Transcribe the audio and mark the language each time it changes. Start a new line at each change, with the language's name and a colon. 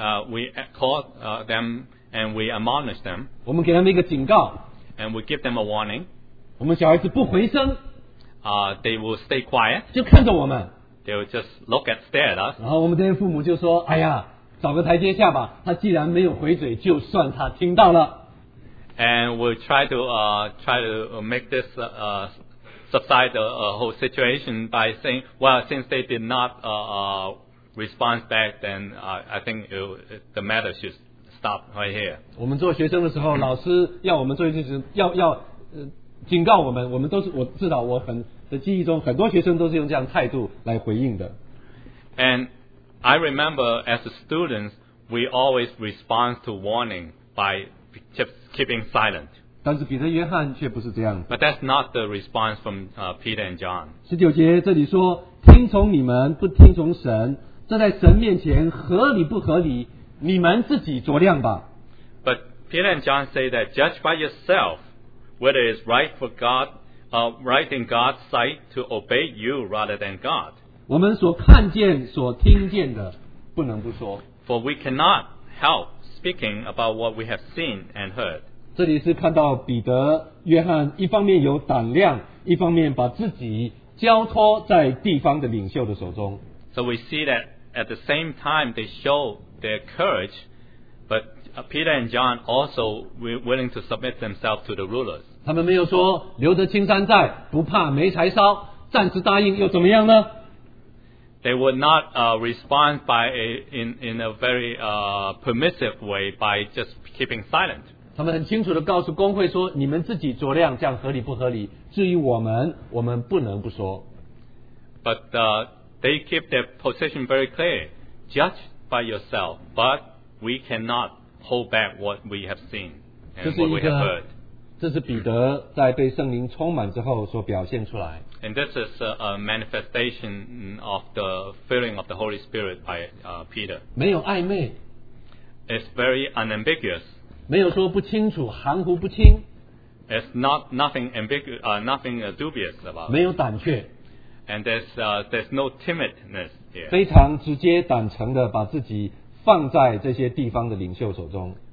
English: We call them and we admonish them.
Chinese: 我们给他们一个警告。
English: And we give them a warning.
Chinese: 我们小孩子不回声。
English: They will stay quiet.
Chinese: 就看着我们。
English: They will just look at stare at us.
Chinese: 然后我们这些父母就说：“哎呀，找个台阶下吧。他既然没有回嘴，就算他听到了。”
English: And we try to make this subside the whole situation by saying, well, since they did not respond back, then I think the matter should stop right here.
Chinese: 我们做学生的时候，老师要我们做一件事，要警告我们，我们都是我知道我很的记忆中，很多学生都是用这样态度来回应的。
English: And I remember as students, we always respond to warning by keeping silent.
Chinese: 但是彼得约翰却不是这样。
English: But that's not the response from Peter and John.
Chinese: 十九节这里说，听从你们不听从神，这在神面前合理不合理，你们自己酌量吧。
English: But Peter and John say that judge by yourself whether it's right for God, right in God's sight to obey you rather than God.
Chinese: 我们所看见、所听见的，不能不说。
English: For we cannot help speaking about what we have seen and heard.
Chinese: 这里是看到彼得、约翰一方面有胆量，一方面把自己交托在地方的领袖的手中。
English: So we see that at the same time they show their courage, but Peter and John also willing to submit themselves to the rulers.
Chinese: 他们没有说留得青山在，不怕没柴烧，暂时答应又怎么样呢？
English: They would not respond by a very permissive way by just keeping silent.
Chinese: 他们很清楚地告诉公会说，你们自己酌量，这样合理不合理？至于我们，我们不能不说。
English: But they keep their position very clear. Judge by yourself, but we cannot hold back what we have seen and what we have heard.
Chinese: 这是彼得在被圣灵充满之后所表现出来。
English: And this is a manifestation of the filling of the Holy Spirit by Peter.
Chinese: 没有暧昧。
English: It's very unambiguous.
Chinese: 没有说不清楚，含糊不清。
English: It's nothing ambiguous, nothing dubious about.
Chinese: 没有胆怯。
English: And there's no timidness here.
Chinese: 非常直接、坦诚的把自己放在这些地方的领袖手中。